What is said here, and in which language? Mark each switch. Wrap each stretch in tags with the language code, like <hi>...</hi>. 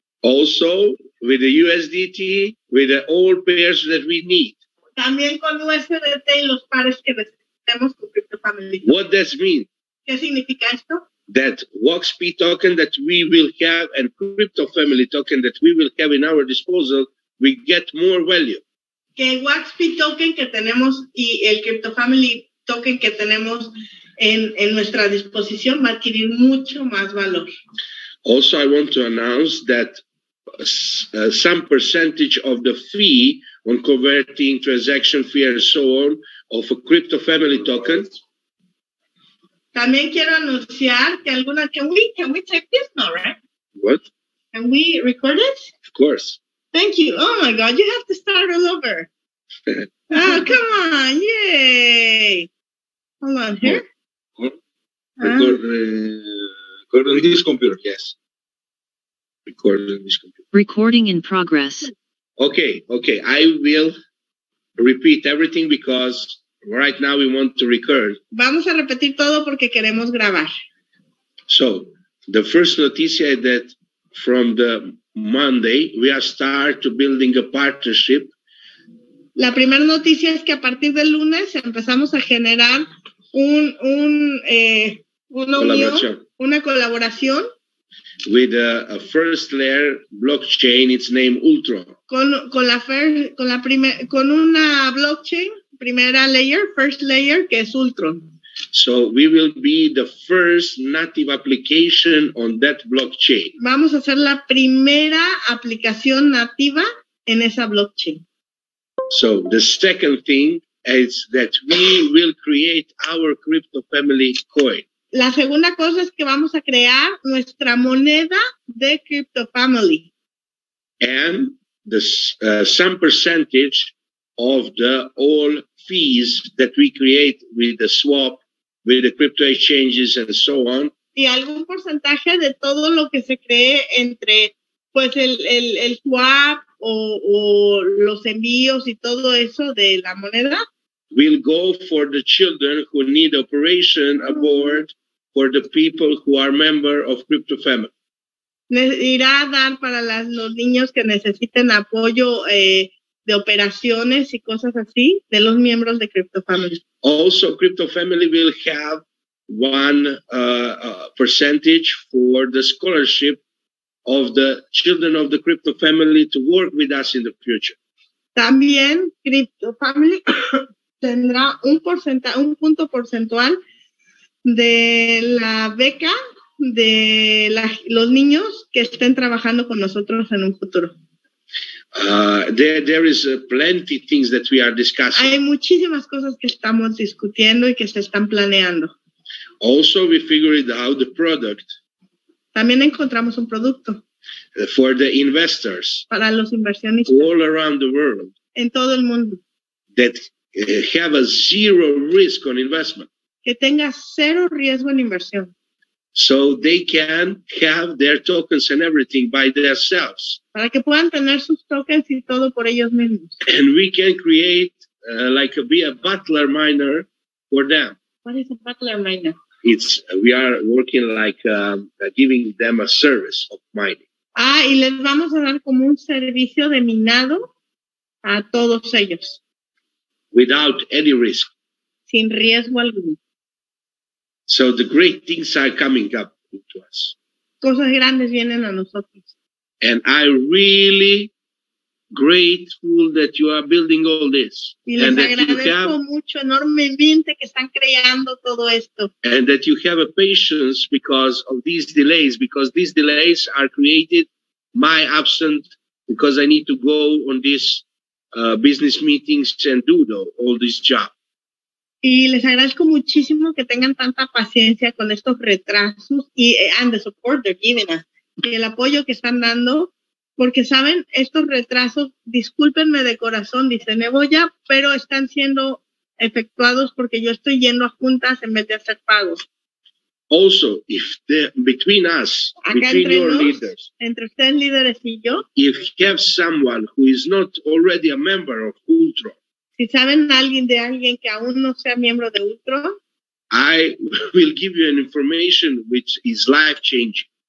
<en>Also with the USDT, with the all pairs that we need.</en> <es>También con USDT y los pares que necesitamos.</es> <en>What does mean?</en> <es>¿Qué significa esto?</es> <en>That WaxP token that we will have and Cryptofamily token that we will have in our disposal, we get more value.</en> <es>Que WaxP token que tenemos y el Cryptofamily token que tenemos en nuestra disposición va a adquirir mucho más valor.</es> <en>Also, I want to announce that some percentage of the fee on converting transaction fee and so on of a Cryptofamily token.</en> <es>También quiero anunciar que alguna,</es> <en>can we take this now, right? What? Can we record it? Of course. Thank you. Oh my God, you have to start all over. Oh, come on. Yay. Hold on here. Record on this computer. Yes. Record on this computer. Recording in progress. Okay. I will repeat everything because right now we want to record.</en> <es>Vamos a repetir todo porque queremos grabar.</es> <en>So, the first noticia is that from the Monday, we are start to building a partnership.</en> <es>La primera noticia es que a partir del lunes empezamos a generar una colaboración.</es> <en>With a first layer blockchain, its name Ultra.</en> <es>Con una blockchain, primera layer, que es Ultron.</es> <en>So we will be the first native application on that blockchain.</en> <es>Vamos a ser la primera aplicación nativa en esa blockchain.</es> <en>So the second thing is that we will create our crypto family coin.</en> <es>La segunda cosa es que vamos a crear nuestra moneda de crypto family.</es> <en>And the some percentage of the all fees that we create with the swap, with the crypto exchanges and so on.</en> <es>Y algún porcentaje de todo lo que se cree entre pues el swap o los envíos y todo eso de la moneda.</es> <en>Will go for the children who need operation aboard for the people who are member of crypto family.</en> <es>Irá a dar para los niños que necesiten apoyo de operaciones y cosas así de los miembros de crypto family.</es> <en>Also, crypto family will have one percentage for the scholarship of the children of the crypto family to work with us in the future.</en> <es>También crypto family tendrá un punto porcentual de la beca de los niños que estén trabajando con nosotros en un futuro.</es> <en>There is plenty things that we are discussing.</en> <es>Hay muchísimas cosas que estamos discutiendo y que se están planeando.</es> <en>Also, we figured out the product.</en> <es>También encontramos un producto.</es> <en>For the investors.</en> <es>Para los inversionistas.</es> <en>All around the world.</en> <es>En todo el mundo.</es> <en>That have a zero risk on investment.</en> <es>Que tenga cero riesgo en inversión.</es> <en>So they can have their tokens and everything by themselves.</en> <es>Para que puedan tener sus tokens y todo por ellos mismos.</es> <en>And we can create, be a butler miner for them. What is a butler miner? It's, we are working like giving them a service of mining.</en> <es>Ah, y les vamos a dar como un servicio de minado a todos ellos.</es> <en>Without any risk.</en> <es>Sin riesgo alguno.</es> <en>So the great things are coming up to us.</en> <es>Cosas grandes vienen a nosotros.</es> <en>And I'm really grateful that you are building all this.</en> <es>Y les agradezco mucho enormemente que están creando todo esto.</es> <en>And that you have a patience because of these delays, because these delays are created my absence, because I need to go on these business meetings and do all this job.</en> <es>Y les agradezco muchísimo que tengan tanta paciencia con estos retrasos y</es> <en>and the support they're giving us,</en> <es>el apoyo que están dando. Porque saben, estos retrasos, discúlpenme de corazón, dice Neboya, pero están siendo efectuados porque yo estoy yendo a juntas en vez de hacer pagos.</es> <en>Also, if the, between us,</en> <es>acá</es> <en>between</en> <es>entre</es> <en>your</en> <es>nos,</es> <en>leaders,</en> <es>entre ustedes líderes y yo,</es> <en>if you have someone who is not already a member of Ultra,</en> <es>si saben alguien de alguien que aún no sea miembro de Ultra,</es> <en>I will give you an information which is life changing.</en>